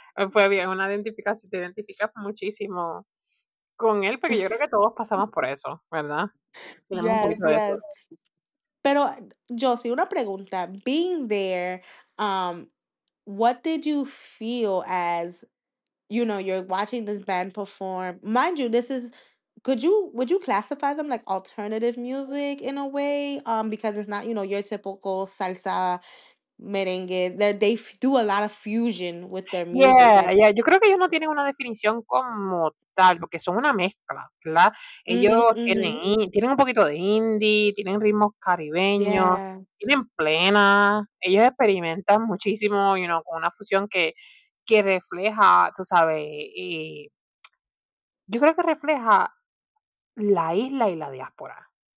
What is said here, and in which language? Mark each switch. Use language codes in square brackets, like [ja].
[es] Fue bien, una identificación, te identificas muchísimo con él, porque yo creo que todos pasamos por eso, ¿verdad? Yes. Pero, Josie, una pregunta. [en] Being there, what did you feel as, you know, you're watching this band perform? Mind you, this is... Would you classify them like alternative music in a way? Because it's not, you know, your typical salsa, merengue. They do a lot of fusion with their music. Yeah. [es] Yo creo que ellos no tienen una definición como tal, porque son una mezcla, ¿verdad? Ellos tienen un poquito de indie, tienen ritmos caribeños, tienen plena. Ellos experimentan muchísimo, you know, con una fusión que refleja, tú sabes, yo creo que refleja la isla y la diáspora.